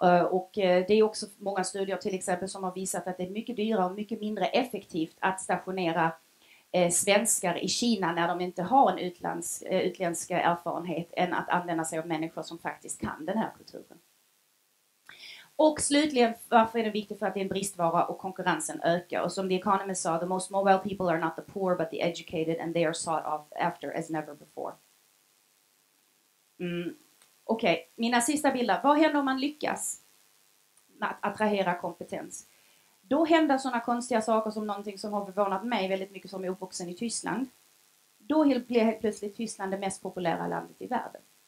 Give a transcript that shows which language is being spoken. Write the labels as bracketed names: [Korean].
[Swedish] Och det är också många studier till exempel som har visat att det är mycket dyrare och mycket mindre effektivt att stationera svenskar i Kina när de inte har en utländsk erfarenhet än att använda sig av människor som faktiskt kan den här kulturen. Och slutligen, varför är det viktigt? För att det är en bristvara och konkurrensen ökar. Och som [English] The Economist [Swedish] sa, [English] the most mobile people are not the poor but the educated and they are sought after as never before. [Swedish] Okej, mina sista bilder. Vad händer om man lyckas att attrahera kompetens? Då händer sådana konstiga saker som någonting som har förvånat mig väldigt mycket som är uppvuxen i Tyskland. Då blir helt plötsligt Tyskland det mest populära landet i världen.